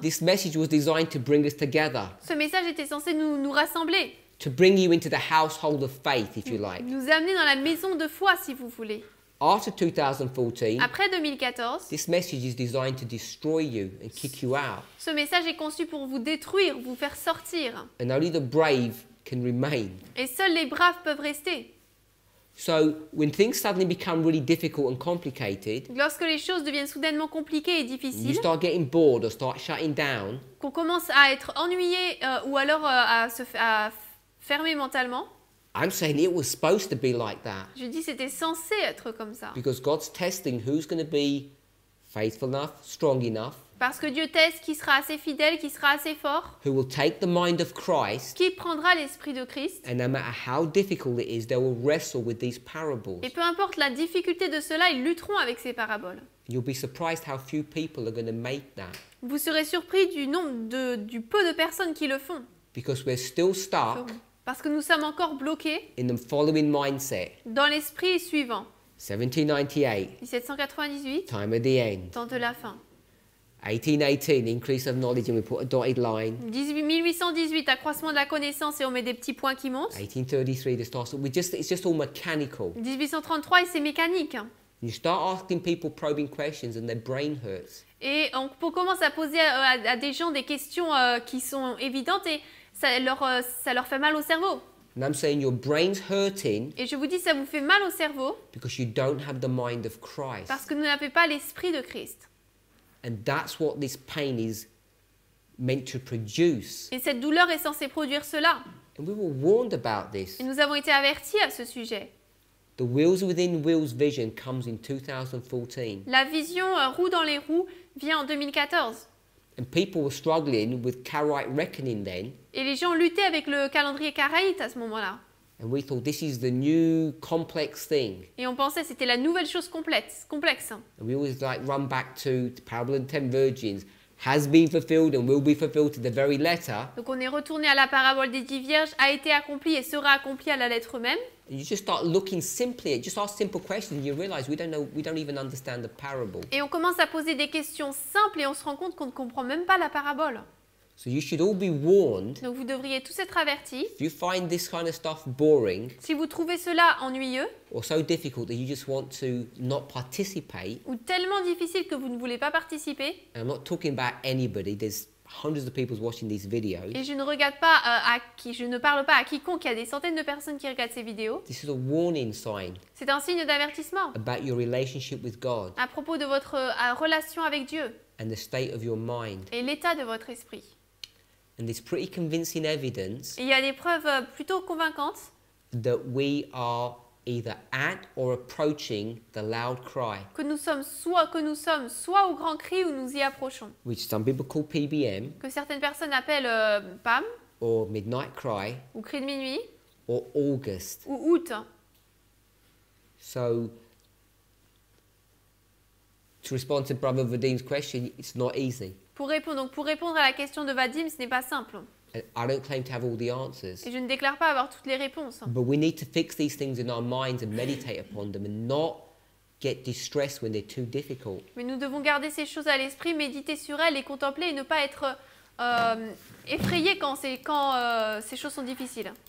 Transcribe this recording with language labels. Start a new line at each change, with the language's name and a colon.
English: This message was designed to bring us together.
French: Ce message était censé nous rassembler.
English: To bring you into the household of faith, if you like.
French: Nous amener dans la maison de foi, si vous voulez.
English: After 2014,
French: après 2014,
English: this message is designed to destroy you and kick you out.
French: Ce message est conçu pour vous détruire, vous faire sortir.
English: And only the brave can remain.
French: Et seuls les braves peuvent rester.
English: So when things suddenly become really difficult and complicated,
French: lorsque les choses deviennent soudainement compliquées et difficiles,
English: you start getting bored or start shutting down.
French: Qu'on commence à être ennuyé ou alors à fermer mentalement.
English: I'm saying it was supposed to be like that.
French: Je dis c'était censé être comme ça.
English: Because God's testing who's going to be faithful enough, strong enough.
French: Parce que Dieu teste qui sera assez fidèle, qui sera assez fort.
English: Who will take the mind of Christ.
French: Qui prendra l'esprit de Christ.
English: And no matter how difficult it is, they will wrestle with these parables.
French: Et peu importe la difficulté de cela, ils lutteront avec ces paraboles.
English: You'll be surprised how few people are going to make that.
French: Vous serez surpris du nombre du peu de personnes qui le font.
English: Because we're still stuck.
French: Parce que nous sommes encore bloqués
English: in the following mindset.
French: Dans l'esprit suivant.
English: 1798,
French: temps de la fin.
English: 1818, increase of knowledge and we put a dotted line.
French: 1818, accroissement de la connaissance et on met des petits points qui montent.
English: 1833, it's just all mechanical.
French: 1833, c'est mécanique.
English: You start asking people probing questions and their brain hurts.
French: Et on commence à poser à des gens des questions qui sont évidentes et ça leur fait mal au cerveau.
English: And I'm saying your brain's hurting.
French: Et je vous dis ça vous fait mal au cerveau.
English: Because you don't have the mind of Christ.
French: Parce que vous n'avez pas l'esprit de Christ.
English: And that's what this pain is meant to produce.
French: Et cette douleur est censée produire cela.
English: And we were warned about this.
French: Et nous avons été avertis à ce sujet.
English: The wheels within wheels vision comes in 2014.
French: La vision roue dans les roues vient en 2014.
English: And people were struggling with Karaite reckoning then.
French: Et les gens luttaient avec le calendrier Karaite à ce moment-là.
English: And we thought this is the new complex thing.
French: Et on pensait c'était la nouvelle chose complexe.
English: And we always like run back to the parable of the 10 virgins has been fulfilled and will be fulfilled to the very letter.
French: Donc on est retourné à la parabole des 10 vierges a été accomplie et sera accomplie à la lettre même.
English: You just start looking simply at just ask simple questions and you realize we don't even understand the parable.
French: Et on commence à poser des questions simples et on se rend compte qu'on ne comprend même pas la parabole.
English: So you should all be warned.
French: Donc vous devriez tous être avertis.
English: If you find this kind of stuff boring.
French: Si vous trouvez cela ennuyeux.
English: Or so difficult that you just want to not participate.
French: Ou tellement difficile que vous ne voulez pas participer.
English: And I'm not talking about anybody. There's hundreds of people watching these videos.
French: Et je ne parle pas à quiconque. Il y a des centaines de personnes qui regardent ces vidéos.
English: This is a warning sign.
French: C'est un signe d'avertissement.
English: About your relationship with God.
French: À propos de votre relation avec Dieu.
English: And the state of your mind.
French: Et l'état de votre esprit.
English: And there's pretty convincing evidence.
French: Il y a des preuves plutôt convaincantes.
English: That we are either at or approaching the loud cry.
French: Que nous sommes soit au grand cri ou nous y approchons.
English: Which some people call PBM.
French: Que certaines personnes appellent PAM.
English: Or midnight cry.
French: Ou cri de minuit.
English: Or August.
French: Ou août.
English: So to respond to Brother Vadim's question, it's not easy.
French: Pour répondre à la question de Vadim, ce n'est pas simple.
English: I don't claim to have all the answers.
French: Et je ne déclare pas avoir toutes les réponses.
English: But we need to fix these things in our minds and meditate upon them and not get distressed when they're too difficult.
French: Mais nous devons garder ces choses à l'esprit, méditer sur elles, les contempler et ne pas être effrayés quand ces choses sont difficiles.